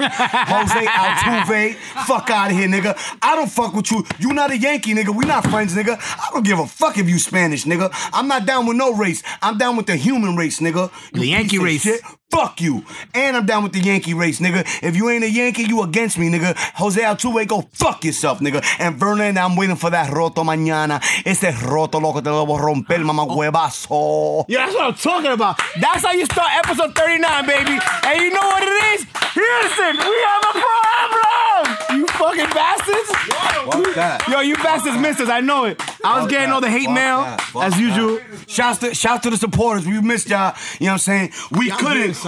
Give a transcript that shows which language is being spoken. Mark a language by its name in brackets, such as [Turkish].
[English] Jose Altuve, fuck out of here, nigga. I don't fuck with you. You not a Yankee, nigga. We not friends, nigga. I don't give a fuck if you Spanish, nigga. I'm not down with no race. I'm down with the human race, nigga. You the Yankee race. Shit. Fuck you. And I'm down with the Yankee race, nigga. If you ain't a Yankee, you against me, nigga. Jose Altuve, go fuck yourself, nigga. And Vernon, I'm waiting for that roto mañana. [Spanish] Este roto loco te lo voy a romper, mama huevazo. [English] Yeah, that's what I'm talking about. That's how you start episode 39, baby. And you know what it is? Houston, we have a problem! You fucking bastards. Fuck that. Yo, you bastards missed us. I know it. I was getting all the hate mail, as usual. Shouts to the supporters. We missed y'all. You know what I'm saying? We couldn't.